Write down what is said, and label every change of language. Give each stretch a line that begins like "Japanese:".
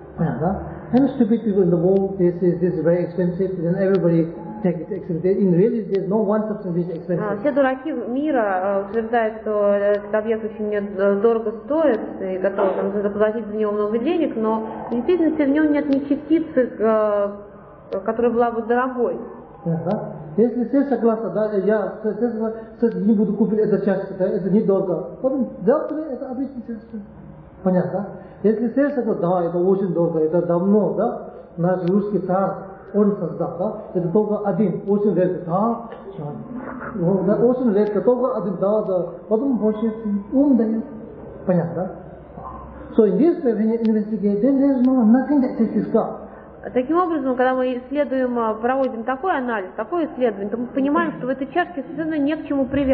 English: And stupid people in the world, they say this is very expensive, then everybody take it expensive. In reality, there's no one substance which is expensive.
Russian: Все дураки мира утверждают, что этот объект очень дорого стоит и готовы там заплатить за него много денег, но в действительности в нем нет ни частицы, которая была бы дорогой. Если все согласны, да, я согласен, не буду купить эту часть, да, это недорого. Потом завтра это обычный часть. Понятно, да? Если все согласны, да, это очень дорого, это давно, да, наш русский царь, он создал, да, это только один, очень редко, да, очень редко, только один, да, да, потом больше ум дает. Понятно, да?
English: So in this way, when you investigate, then there's no nothing that says this God.
Russian: Таким образом, когда мы исследуем, проводим такой анализ, такое исследование, то мы понимаем, что в этой чашке совершенно не к чему